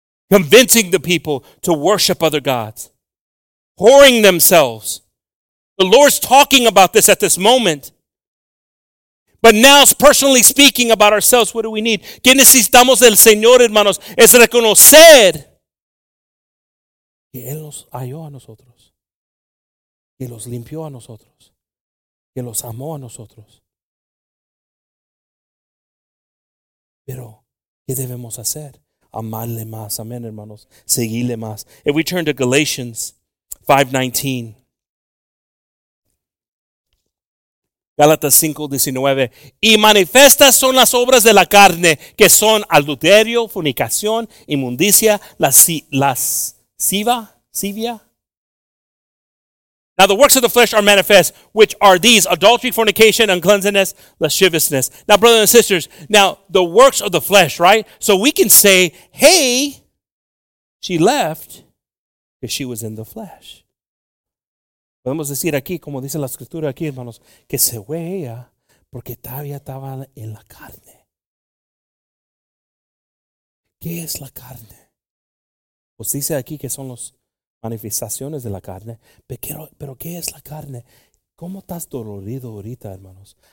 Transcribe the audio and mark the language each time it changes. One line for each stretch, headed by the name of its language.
English: Convincing the people to worship other gods. Whoring themselves. The Lord's talking about this at this moment. But now, personally speaking about ourselves, what do we need?
Spanish: ¿Qué necesitamos del Señor, hermanos? Es reconocer que Él nos halló a nosotros. Que los limpió a nosotros. Que los amó a nosotros. Pero, ¿qué debemos hacer? Amarle más. Amén, hermanos. Seguirle más.
English: If we turn to Galatians 5:19.
Spanish: Galatas 5:19. Y manifestas son las obras de la carne, que son adulterio, fornicación, inmundicia, lascivia.
English: Now the works of the flesh are manifest, which are these: adultery, fornication, uncleanness, lasciviousness. Now, brothers and sisters, now the works of the flesh, right? So we can say, hey, she left because she was in the flesh.
Spanish: Podemos decir aquí, como dice la escritura aquí, hermanos, que se fue ella porque todavía estaba en la carne. ¿Qué es la carne? Pues dice aquí que son los manifestaciones de la carne. Pero ¿qué es la carne? ¿Cómo estás dolorido ahorita, hermanos?